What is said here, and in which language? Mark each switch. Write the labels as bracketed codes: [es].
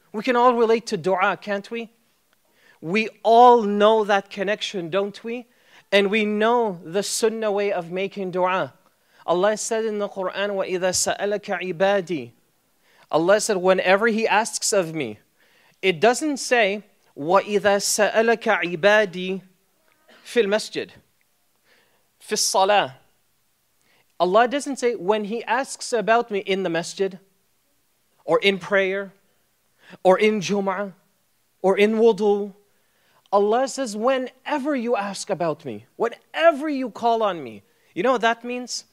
[en] We can all relate to dua, can't we? We all know that connection, don't we? And we know the sunnah way of making dua. Allah said in the Quran, [ar] وَإِذَا سَأَلَكَ عِبَادِي. [en] Allah said, whenever He asks of me. It doesn't say, [ar] وَإِذَا سَأَلَكَ عِبَادِي فِي الْمَسْجِدِ فِي الصَّلَاةِ. [en] Allah doesn't say, when He asks about me in the masjid, or in prayer, or in Jumah, or in wudu. Allah says, whenever you ask about me, whenever you call on me. You know what that means?